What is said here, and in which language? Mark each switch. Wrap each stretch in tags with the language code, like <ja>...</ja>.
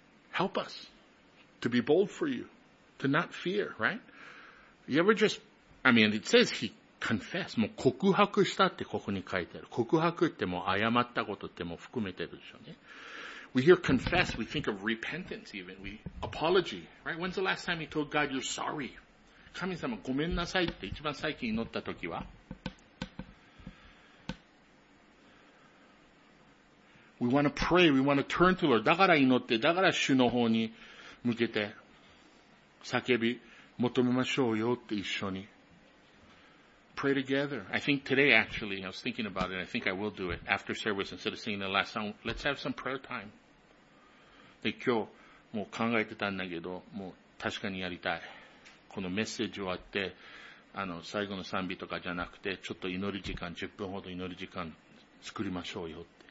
<en>Help us to be bold for you, to not fear, right? You ever just, I mean, it says he confessed.</en> <ja>もう告白したってここに書いてある。告白ってもう謝ったことってもう含めてるでしょうね。</ja> <en>We hear confess, we think of repentance even. We apology, right? When's the last time you told God you're sorry?</en> <ja>神様ごめんなさいって一番最近祈った時は?</ja> <en>We want to pray, we want to turn to the Lord.</en> <ja>だから祈って、だから主の方に向けて叫び求めましょうよって一緒に。</ja> <en>Pray together. I think today actually, I was thinking about it, I think I will do it after service instead of singing the last song. Let's have some prayer time.</en> <ja>で、今日もう考えてたんだけど、もう確かにやりたい。このメッセージ終わって、最後の賛美とかじゃなくて、ちょっと祈り時間、10分ほど祈り時間作りましょうよって。</ja>